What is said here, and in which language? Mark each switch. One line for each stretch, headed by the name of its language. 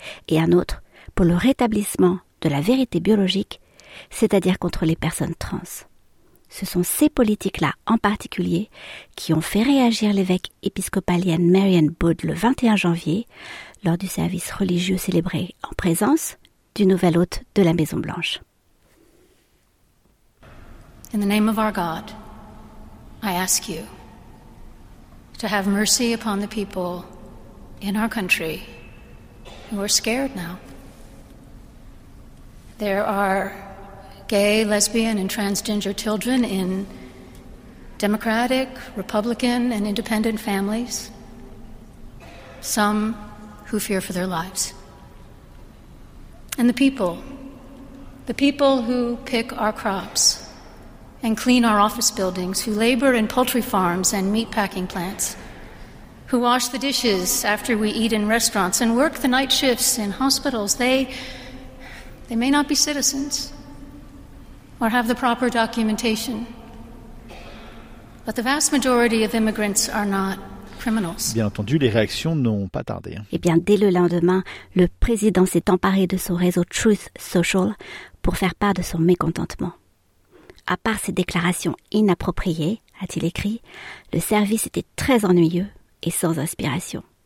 French: Et un autre pour le rétablissement de la vérité biologique, c'est-à-dire contre les personnes trans. Ce sont ces politiques-là en particulier qui ont fait réagir l'évêque épiscopalienne Marian Budd le 21 janvier lors du service religieux célébré en présence du nouvel hôte de la Maison Blanche.
English: In the name of our God, I ask you to have mercy upon the people in our country who are scared now. There are gay, lesbian, and transgender children in Democratic, Republican, and independent families, some who fear for their lives. And the people who pick our crops and clean our office buildings, who labor in poultry farms and meat packing plants, who wash the dishes after we eat in restaurants and work the night shifts in hospitals, they may not be citizens or have the proper documentation. But the vast majority of immigrants are not criminals.
French: Bien entendu, les réactions n'ont pas tardé. Et bien, dès le lendemain, le président s'est emparé de son réseau Truth Social pour faire part de son mécontentement. À part ses déclarations inappropriées, a-t-il écrit, le service était très ennuyeux et sans inspiration.